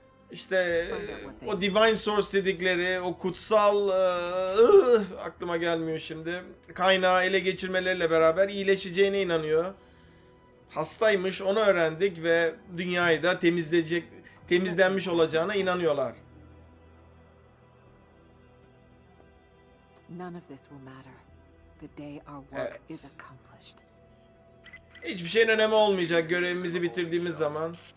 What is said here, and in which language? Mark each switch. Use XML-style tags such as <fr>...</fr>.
<tr>İşte o Divine Source dedikleri, o kutsal aklıma gelmiyor şimdi. Kaynağı ele geçirmeleriyle beraber iyileşeceğine inanıyor. Hastaymış, onu öğrendik ve dünyayı da temizlenmiş olacağına inanıyorlar.</tr> <en>None of this will matter. The day our work is accomplished.</en> <tr>Hiçbir şeyin önemi olmayacak görevimizi bitirdiğimiz zaman.</tr>